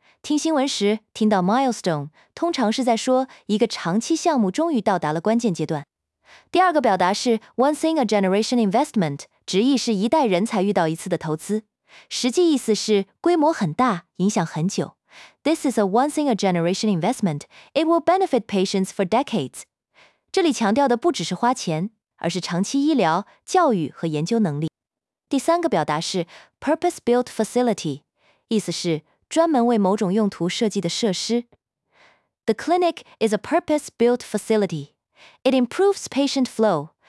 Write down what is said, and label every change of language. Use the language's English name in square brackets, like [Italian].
[Chinese] 听新闻时，听到 milestone, 通常是在说一个长期项目终于到达了关键阶段。第二个表达是 [English] once in a generation investment, [Chinese] 直译是一代人才遇到一次的投资。实际意思是规模很大，影响很久。 [English] This is a once in a generation investment. It will benefit patients for decades. [Chinese] 这里强调的不只是花钱，而是长期医疗、教育和研究能力。第三个表达是 purpose-built facility, 意思是专门为某种用途设计的设施。 [English] The clinic is a purpose-built facility. It improves patient flow.